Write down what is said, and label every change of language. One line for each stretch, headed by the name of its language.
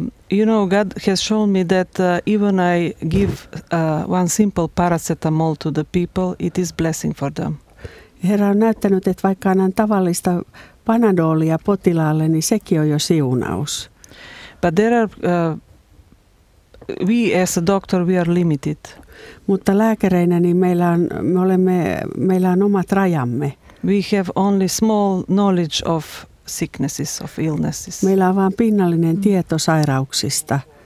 English: You know, God has shown me that even I give one simple paracetamol to the people, it is blessing for them.
Finnish: Herra on näyttänyt, että vaikka annan tavallista panadolia potilaalle, niin sekin on jo siunaus.
English: But there are, we as a doctor, we are limited.
Finnish: Mutta lääkäreinä niin meillä on omat rajamme.
English: We have only small knowledge of sicknesses, of illnesses.
Finnish: Meillä on vain pinnallinen tieto sairauksista.